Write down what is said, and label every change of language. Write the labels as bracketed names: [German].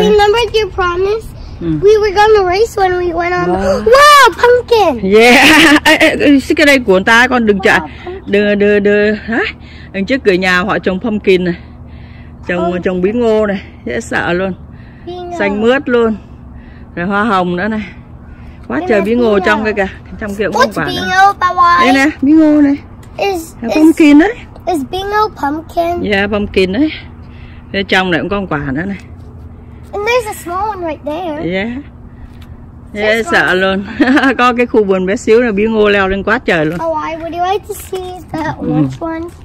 [English] Oh, I remember your promise. We were going to race when we went on. Wow, pumpkin. Yeah. [Vietnamese] Xích cái này của người ta con, đừng chạy. Đưa. Đằng trước cửa nhà họ trồng pumpkin này. Trồng bí ngô này, dễ sợ luôn. Xanh mướt luôn. Rồi hoa hồng nữa này. Quá trời bí ngô trong kia kìa. Trong kia cũng không phải nè. Đây nè, bí ngô này. Pumpkin đấy. [English] Is bí ngô pumpkin? [Vietnamese] Yeah, pumpkin đấy. Bên trong này cũng có quả nữa này. [English] And there's a small one right there. [Vietnamese] Yeah. Dễ sợ luôn. Có cái khu vườn bé xíu này, bí ngô leo lên quá trời luôn. [English] Why would you like to see that one?